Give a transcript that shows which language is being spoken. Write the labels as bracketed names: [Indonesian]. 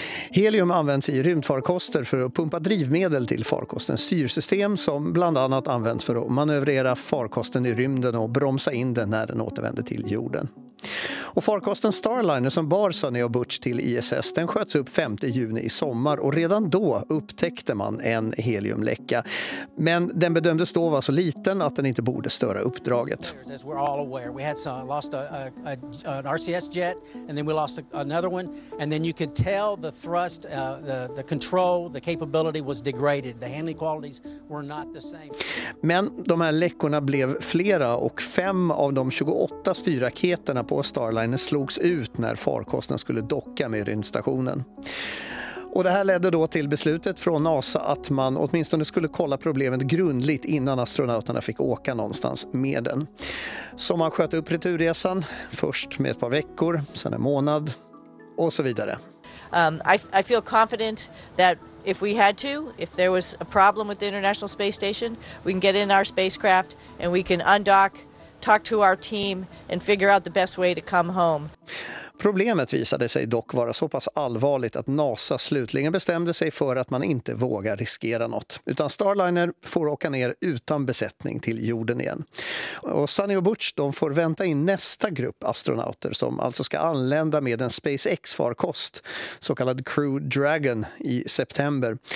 [Swedish] Helium används i rymdfarkoster för att pumpa drivmedel till farkostens styrsystem som bland annat används för att manövrera farkosten i rymden och bromsa in den när den återvänder till jorden. Och farkosten Starliner som bar Sonny och Butch till ISS, den sköts upp 5 juni i sommar, och redan då upptäckte man en heliumläcka. Men den bedömdes då vara så liten att den inte borde störa uppdraget. [English] As we're all aware, we had lost an RCS jet, and then we lost another one, and then you could tell the thrust, the control, the capability was degraded. The handling qualities were not the same. [Swedish] Men de här läckorna blev flera, och 5 av de 28 styrraketerna på Starliner slogs ut när farkosten skulle docka med rymdstationen. Och det här ledde då till beslutet från NASA att man åtminstone skulle kolla problemet grundligt innan astronauterna fick åka någonstans med den. Så man sköt upp returresan, först med ett par veckor, sen en månad och så vidare. [English] I feel confident that if we had to, if there was a problem with the International Space Station, we can get in our spacecraft and we can undock, talk to our team and figure out the best way to come home. [Swedish] Problemet visade sig dock vara så pass allvarligt att NASA slutligen bestämde sig för att man inte vågar riskera något. Utan Starliner får åka ner utan besättning till jorden igen. Och Sonny och Butch, de får vänta in nästa grupp astronauter som alltså ska anlända med en SpaceX-farkost, så kallad Crew Dragon, i september.